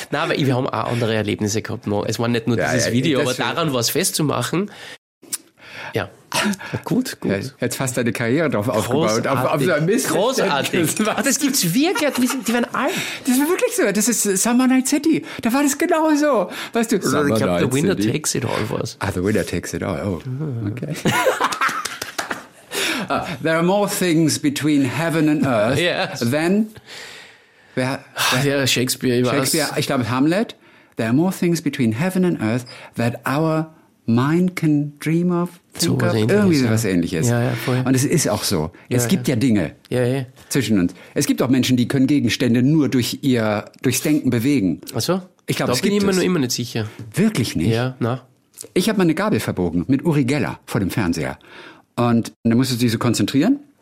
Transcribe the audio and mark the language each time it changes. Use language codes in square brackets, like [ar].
[de] Nein, aber wir haben auch andere Erlebnisse gehabt. Noch. Es war nicht nur dieses Video, aber daran war es festzumachen. Ja. Gut. Jetzt fast deine Karriere drauf aufgebaut. Auf so ein Mist. Großartig. Das gibt's wirklich. Die werden alle. Das ist wirklich so. Das ist Summer Night City. Da war das genau so. Weißt du, Summer Night City. Ich glaube, the winner takes it all was. Ah, the winner takes it all. Oh, okay. [en] there are more things between heaven and earth than... Shakespeare, [de] ich glaube, Hamlet. [en] There are more things between heaven and earth that our mind can dream of. [de] So was Ähnliches. Ja, voll. Und es ist auch so. Es gibt Dinge zwischen uns. Es gibt auch Menschen, die können Gegenstände nur durchs Denken bewegen. Ach so? Ich glaube, Ich bin immer nicht sicher. Wirklich nicht? Ja, na. Ich habe meine Gabel verbogen mit Uri Geller vor dem Fernseher. Und da musste ich sie so konzentrieren.